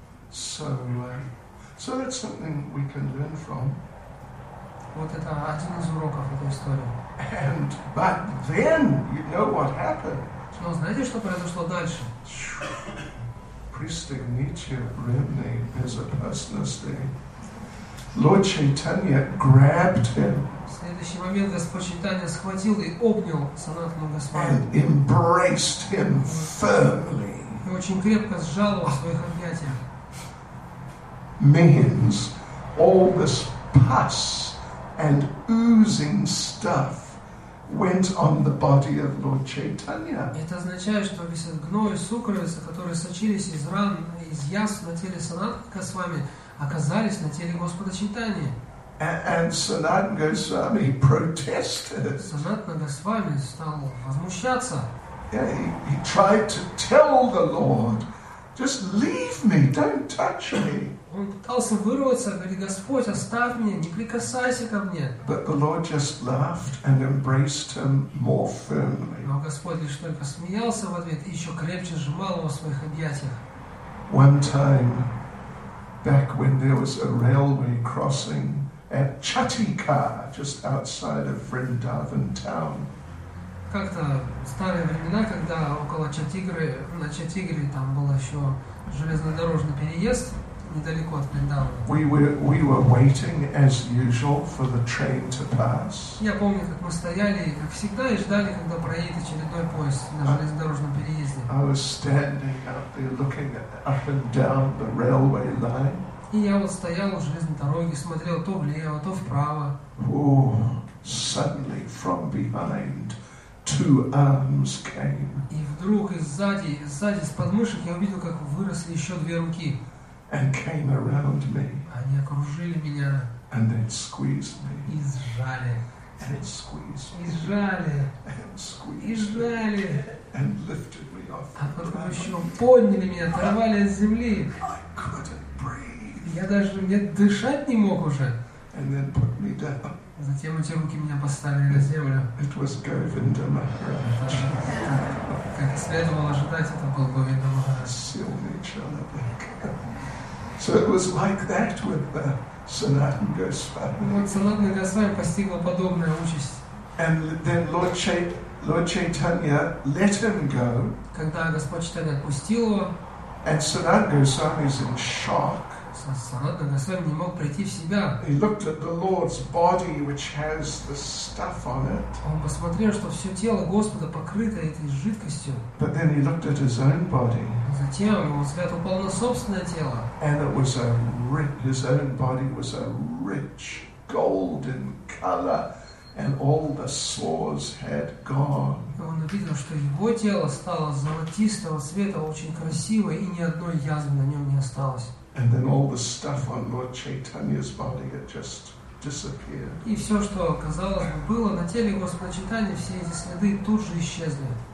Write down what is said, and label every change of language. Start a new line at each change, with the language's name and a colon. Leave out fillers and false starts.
English: So that's something we can learn from.
Russian: Вот это один из уроков этой истории.
English: But then, you know what happened.
Russian: Но знаете, что произошло дальше?
English: Pristignitya Brimni is a personality. Lord Chaitanya grabbed him.
Russian: В следующий момент Господь Чайтанья схватил и обнял Санатану Госвами.
English: And embraced him firmly.
Russian: И очень крепко сжал его в своих объятиях.
English: Means all this pus and oozing stuff went on the body of Lord Chaitanya.
Russian: Это означает, что весь этот гной, сукровица, которые сочились из ран, из язв на теле Санатана Госвами, оказались на теле Господа Чайтаньи.
English: And Sanatana Goswami protested.
Russian: Санатана Госвами стал возмущаться.
English: Yeah, he tried to tell the Lord, just leave me, don't touch me.
Russian: Он пытался вырваться, говорит, Господь, оставь меня, не прикасайся ко мне.
English: But the Lord just laughed and embraced him more firmly.
Russian: Но Господь лишь только смеялся в ответ и еще крепче сжимал его в своих объятиях.
English: one time back when there was a railway crossing at Chatikar, just outside of Vrindavan town.
Russian: Как-то старые времена, когда около Чатигры, на Чатигре там был еще железнодорожный переезд недалеко от Вриндавана.
English: We were waiting as usual for the train to pass.
Russian: Я помню, как мы стояли, как всегда, и ждали, когда проедет очередной поезд на железнодорожном переезде.
English: I was standing up there looking up and down the railway line.
Russian: И я вот стоял у железной дороги, смотрел то влево, то вправо.
English: Oh, suddenly from behind, two arms came.
Russian: И вдруг сзади с подмышек я увидел, как выросли еще две руки.
English: And came around me.
Russian: Они окружили меня.
English: And then squeezed me.
Russian: И сжали.
English: And it squeezed me.
Russian: И сжали.
English: And squeezed me.
Russian: И сжали.
English: And lifted me off the ground.
Russian: А потом еще подняли меня, оторвали от земли.
English: I couldn't breathe.
Russian: Я даже не дышать не мог уже.
English: And then put me down.
Russian: Затем эти руки меня поставили на землю.
English: It was Govinda Maharaj.
Russian: Как и следовало ожидать, это был Говинда Махарадж. Сильный человек.
English: So it was like that with the Sanatana Goswami.
Russian: Вот Санатана Госвами постигла подобная участь.
English: And then Lord Chaitanya let him go.
Russian: Когда Господь Чайтанья отпустил его.
English: And Sanatana Goswami is in shock.
Russian: Санатана Госвами не мог прийти в себя.
English: He looked at the Lord's body, which has the stuff on it.
Russian: Он посмотрел, что все тело Господа покрыто этой жидкостью.
English: But then he looked at his own body.
Russian: Затем его взгляд упал на собственное тело.
English: And it was a rich, his own body was a rich golden color, and all the sores had gone.
Russian: Он увидел, что его тело стало золотистого цвета, очень красивое, и ни одной язвы на нем не осталось.
English: And then all the stuff on Lord Chaitanya's body had just disappeared.
Russian: И все, что казалось бы было на теле Господа Чайтаньи, все эти следы тут же исчезли.